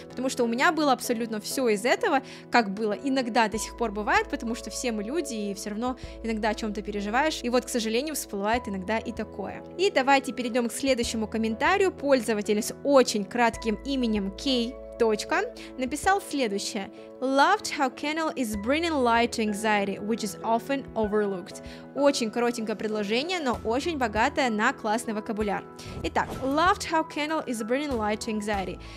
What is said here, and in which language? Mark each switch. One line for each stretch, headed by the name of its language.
Russian: Потому что у меня было абсолютно все из этого, как было иногда до сих пор бывает, потому что все мы люди, и все равно иногда о чем-то переживаешь, и вот, к сожалению, всплывает иногда и такое. И давайте перейдем к следующему комментарию. Пользователь с очень кратким именем Кей Точка написал следующее.
English: Loved how Kennel is bringing light to anxiety, which is often overlooked.
Russian: Очень коротенькое предложение, но очень богатое на классный вокабуляр. Итак,
English: loved how Kennel is bringing light to anxiety.